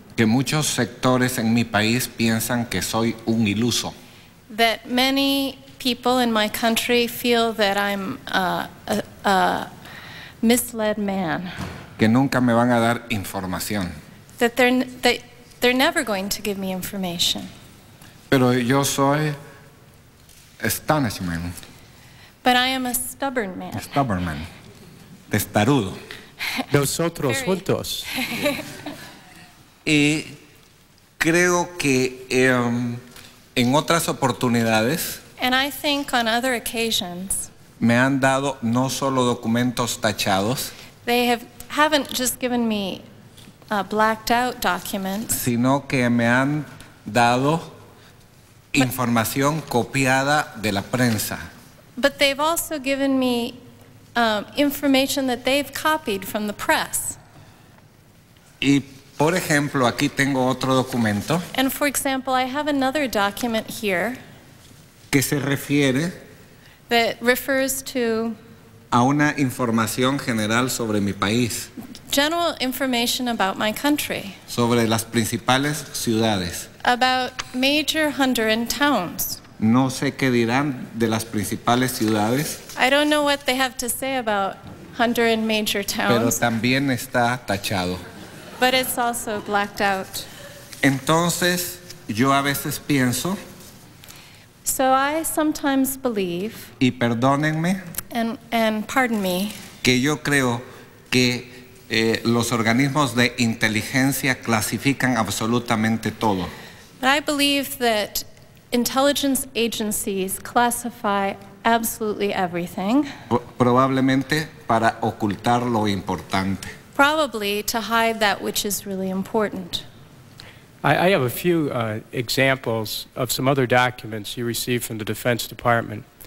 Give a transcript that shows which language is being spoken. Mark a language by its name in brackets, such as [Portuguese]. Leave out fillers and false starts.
[Spanish] que muchos sectores en mi país piensan que soy un iluso. [English] That many people in my country feel that I'm a misled man. [Spanish] Que nunca me van a dar información. [English] That they're never going to give me information. [Spanish] Pero yo soy astonishment. [English] But I am a stubborn man. Stubborn man. Testarudo. [Spanish] Nosotros juntos. Y creo que en otras oportunidades [English] and I think on other occasions, [Spanish] me han dado no solo documentos tachados, [English] they haven't just given me blacked out documents, [Spanish] sino que me han dado información copiada de la prensa. [English] But they've also given me information that they've copied from the press. [Spanish] Y por ejemplo, aquí tengo otro documento. [English] And for example, I have another document here [Spanish] que se refiere [English] that refers to [Spanish] a una información general sobre mi país. [English] General information about my country. [Spanish] Sobre las principales ciudades. [English] About major Honduran towns. [Spanish] No sé qué dirán de las principales ciudades. [English] I don't know what they have to say about Honduran major towns. [Spanish] Pero también está tachado. [English] But it's also blacked out. [Spanish] Entonces, yo a veces pienso. [English] So I sometimes believe. [Spanish] Y perdónenme. [English] And pardon me. [Spanish] Que yo creo que los organismos de inteligencia clasifican absolutamente todo. [English] But I believe that intelligence agencies classify absolutely everything. [Spanish] Probablemente para ocultar lo importante. [English] Probably to hide that which is really important. I have a few examples of some other documents you received from the Defense Department.